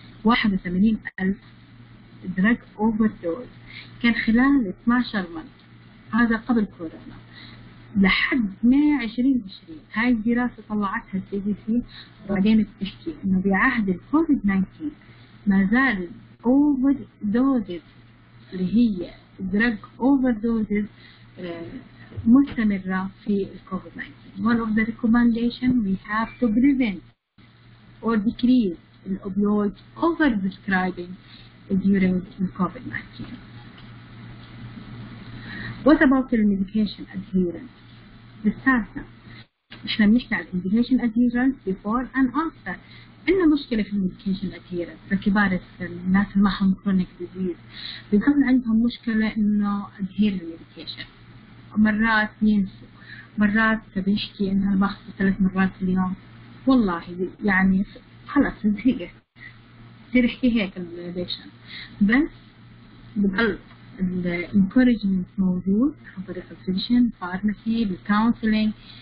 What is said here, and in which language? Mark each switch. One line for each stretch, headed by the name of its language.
Arabic: 81 ألف drug overdose كان خلال 12 مانت، هذا قبل كورونا، لحد 2020 هاي الدراسة طلعتها الـ CDC. وبعدين بتحكي انه بعهد الـ COVID-19 ما زال الـ overdose اللي هي drug overdose مستمرة في الـ COVID-19.
English: One of the recommendation we have to prevent or decrease الـ opioid over-prescribing during the COVID-19. What about the medication adherence?
Arabic: بالسالفة احنا بنحكي عن
English: medication adherence before and after.
Arabic: عندنا مشكلة في medication adherence لكبار السن، الناس اللي معهم chronic disease بيكون عندهم مشكلة انه adhere للmedication. مرات ينسوا، مرات بيشكي انها باخذ 3 مرات في اليوم، والله يعني خلص زهقت كثير احكي هيك الليشن، بس بضل الانكوريجمنت موجود عن طريق الفيزيشن فارماسي بالكونسلنج.